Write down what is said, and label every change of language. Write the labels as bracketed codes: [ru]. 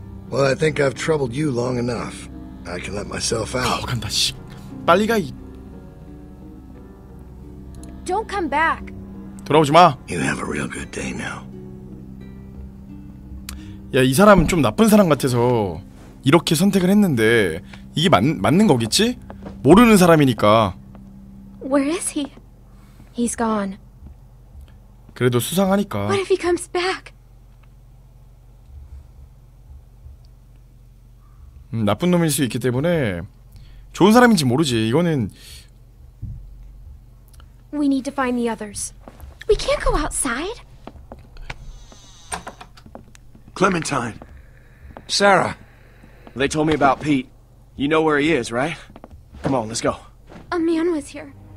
[en] Well, I think I've troubled you long enough. I can let myself out. [ko] 간다, 씨. 빨리 가. [en] Don't come back. [ko] 돌아오지 마. [en] You have a real good day now. [ko] 야, 이 사람은 좀 나쁜 사람 같아서 이렇게 선택을 했는데 이게 맞는 거겠지? 모르는 사람이니까. [en] Where is he? He's gone. [ko] 그래도 수상하니까. [en] What if he comes back? [ko] 나쁜 놈일 수 있기 때문에 좋은 사람인지 모르지. 이거는 [en] We need to find the others. We can't go outside. Clementine. Sarah. They told me about Pete. You know where he is, right? Come on, let's go. A man was here.